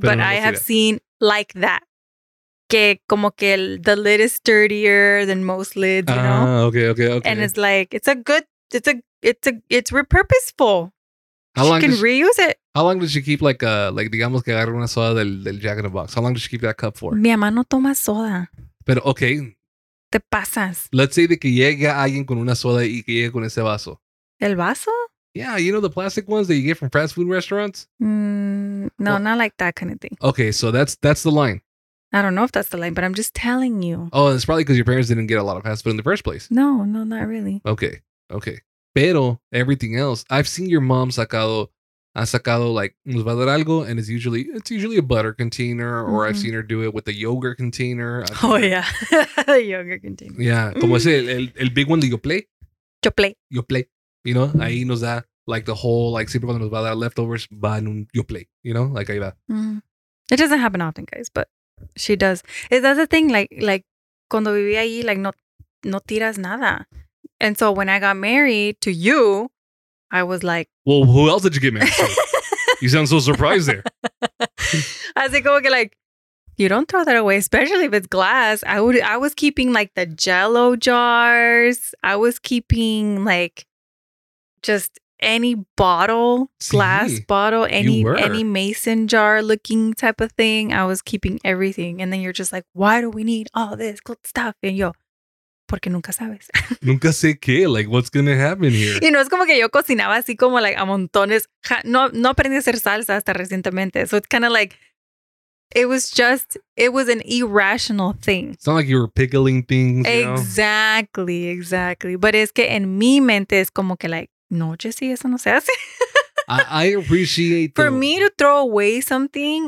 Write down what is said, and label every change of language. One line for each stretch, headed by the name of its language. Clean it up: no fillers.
English: But I have seen like that.
Spanish: Que como que
English: the lid is sturdier than most lids, you know? Okay. And it's like, it's repurposeful. She can reuse it. How long does she keep like
Spanish: digamos que agarra una soda del
English: Jack in the Box? How long does she keep that cup for?
Spanish: Mi mamá no toma soda. Pero okay. Te pasas.
English: Let's say
Spanish: de que llega alguien con una soda y que llegue con ese vaso. ¿El vaso?
English: Yeah, you know the plastic ones that you get from fast food restaurants? Not like that kind of thing. Okay, so that's the line. I don't know if that's the line, but I'm just telling you. Oh, it's probably because your parents didn't get a lot of fast food in the first place. No, not really. Okay. Pero everything else, I've seen your mom
Spanish: ha sacado like, nos va a dar algo,
English: and it's usually a butter container, or I've seen her do it with a yogurt container. Oh, yeah. Yogurt container. Yeah,
Spanish: como ese, el
English: big one de Yoplait. Yoplait. You know,
Spanish: ahí nos da,
English: like, the whole, like,
Spanish: siempre cuando nos va a dar leftovers, va en
English: un Yoplait, you know? Like,
Spanish: ahí va. Mm.
English: It doesn't happen often, guys, but she does. That's the thing, like,
Spanish: cuando viví ahí,
English: like,
Spanish: no tiras nada.
English: And so when I got married to you, I was like... Well, who else did you get married to? You sound so surprised there.
Spanish: Así como que,
English: like, you don't throw that away, especially if it's glass. I was keeping, like, the Jell-O jars. I was keeping, like... Just any bottle, glass bottle, any mason jar looking type of thing. I was keeping everything. And then you're just like, why do we need all this good stuff?
Spanish: And yo, porque nunca sabes. Nunca sé qué.
English: Like, what's going to happen here?
Spanish: Y no es como que yo cocinaba así como like a montones. No aprendí a hacer salsa hasta recientemente.
English: So it's kind of like, it was an irrational thing. It's not like you were pickling things. Exactly. But
Spanish: es que en mi mente es como que like, no, Jesse, eso no se hace.
English: I appreciate for me to throw away something